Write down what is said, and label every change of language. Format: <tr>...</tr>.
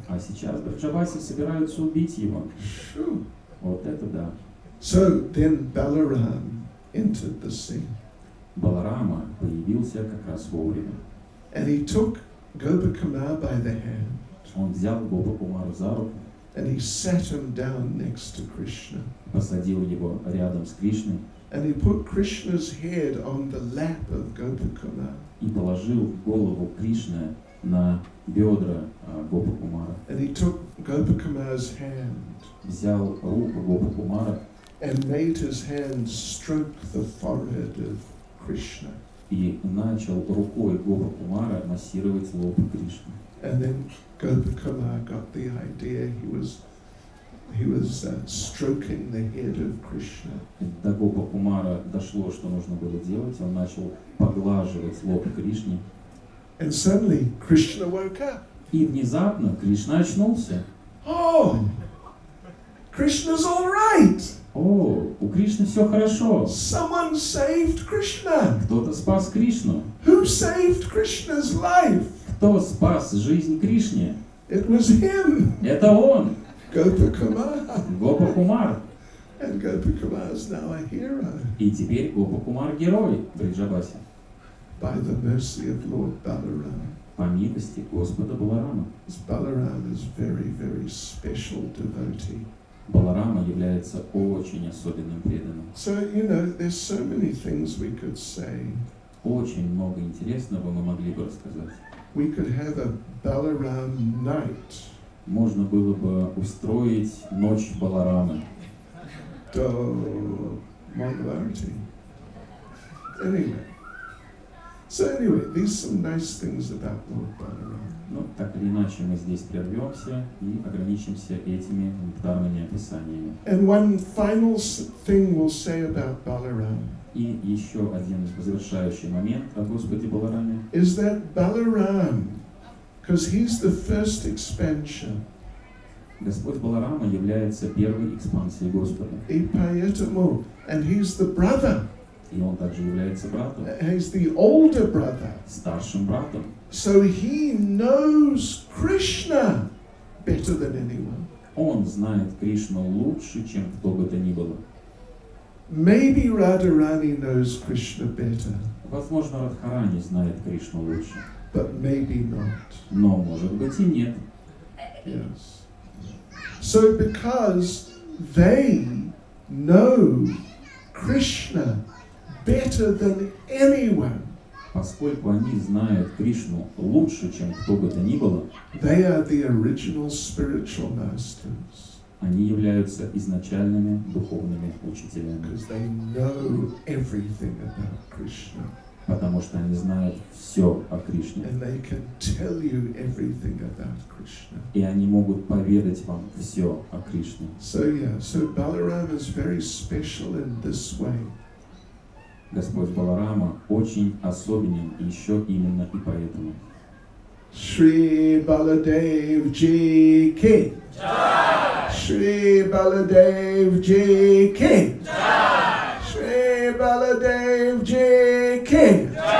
<ru>А сейчас Бриджабаси собираются убить его. Вот это да.</ru> <en>So then Balaram entered the scene.</en> <ru>Баларама появился как раз вовремя.</ru> <en>And he took Gopakumara by the hand.</en> <ru>Он взял Гопакумару за руку.</ru> <en>And he sat him down next to Krishna.</en> <ru>Посадил его рядом с Кришной.</ru> <en>And he put Krishna's head on the lap of Gopakumara.</en> <ru>И положил голову Кришны на бедра Гопакумара.</ru> <en>And he took Gopakumara's hand.</en> <ru>Взял руку Гопакумара.</ru> <en>And made his hand stroke the forehead of Krishna.</en> <ru>И начал рукой Гопакумара массировать лоб Кришны.</ru> <en>And then Gopakumara got the idea he was stroking the head of Krishna.</en> <ru>До Гопакумара дошло, что нужно было делать. Он начал поглаживать лоб Кришны.</ru> <en>And suddenly Krishna woke up.</en> <ru>И внезапно Кришна очнулся.</ru> <en>Oh, Krishna's all right.</en> <ru>О, у Кришны все хорошо.</ru> <en>Someone saved Krishna.</en> <ru>Кто-то спас Кришну.</ru> <en>Who saved Krishna's life?</en> <ru>Кто спас жизнь Кришне?</ru> <en>It was him.</en> <ru>Это он.</ru> <en>Gopakumara.</en> <ru>Гопакумар.</ru> <en>And Gopakumara is now a hero.</en> <ru>И теперь Гопакумар герой Бриджабаси.</ru> <en>By the mercy of Lord Balarama.</en> <ru>По милости Господа Баларама.</ru> <en>Balarama is very, very special devotee.</en> <ru>Баларама является очень особенным преданным.</ru> <en>So, you know, there's so many things we could say.</en> <ru>Очень много интересного мы могли бы рассказать.</ru> <en>We could have a Balaram night.</en> <ru>Можно было бы устроить ночь Баларамы. До</ru> <en>Mangalarti. Anyway. So anyway, these some nice things about Lord Balaram.</en> <ru>Ну, так или иначе, мы здесь прервемся и ограничимся этими данными описаниями.</ru> <en>And one final thing we'll say about Balaram.</en> <ru>И еще один завершающий момент о Господе Балараме.</ru> <en>Is that Balaram, because he's the first expansion.</en> <ru>Господь Баларама является первой экспансией Господа. И поэтому,</ru> <en>and he's the brother.</en> <ru>и он также является братом.</ru> <en>He's the older brother.</en> <ru>Старшим братом.</ru> <en>So he knows Krishna better than anyone.</en> <ru>Он знает Кришну лучше, чем кто бы то ни было.</ru> <en>Maybe Radharani knows Krishna better.</en> <ru>Возможно, Радхарани знает Кришну лучше.</ru> <en>But maybe not.</en> <ru>Но может быть и нет.</ru> <en>Yes. So because they know Krishna better than anyone.</en> <ru>Поскольку они знают Кришну лучше, чем кто бы то ни было.</ru> <en>They are the original spiritual masters.</en> <ru>Они являются изначальными духовными учителями.</ru> <en>Because they know everything about Krishna.</en> <ru>Потому что они знают все о Кришне.</ru> <en>And they can tell you everything about Krishna.</en> <ru>И они могут поведать вам все о Кришне.</ru> <en>So yeah, so Balarama is very special in this way.</en> <ru>Господь Баларама очень особенен еще именно и поэтому.</ru> <hi>Шри Баладев Джи Ки. Шри Баладев Джи Ки. Шри Баладев Джи Ки.</hi>